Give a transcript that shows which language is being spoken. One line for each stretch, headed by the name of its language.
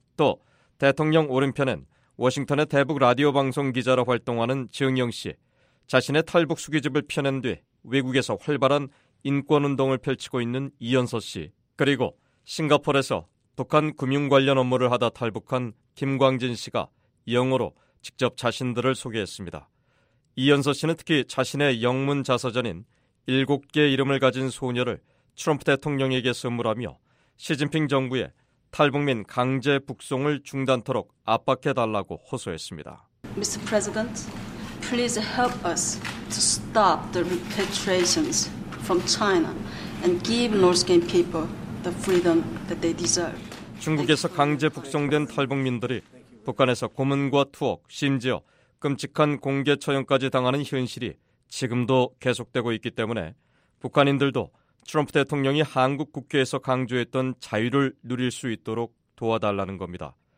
Korean: 또 대통령 오른편엔 워싱턴의 대북 라디오 방송 기자로 활동하는 정영 씨, 자신의 탈북 수기집을 펴낸 뒤 외국에서 활발한 인권운동을 펼치고 있는 이연서 씨, 그리고 싱가포르에서 북한 금융 관련 업무를 하다 탈북한 김광진 씨가 영어로 직접 자신들을 소개했습니다. 이연서 씨는 특히 자신의 영문 자서전인 7개 이름을 가진 소녀를 트럼프 대통령에게 선물하며 시진핑 정부에 탈북민 강제 북송을 중단토록 압박해달라고 호소했습니다.
English: Mr. President, please help us to stop the repatriations from China and give North Korean people the freedom that they deserve.
Korean: 중국에서 강제 북송된 탈북민들이 북한에서 고문과 투옥, 심지어 끔찍한 공개 처형까지 당하는 현실이 지금도 계속되고 있기 때문에 북한인들도 트럼프 대통령이 한국 국회에서 강조했던 자유를 누릴 수 있도록 도와달라는 겁니다.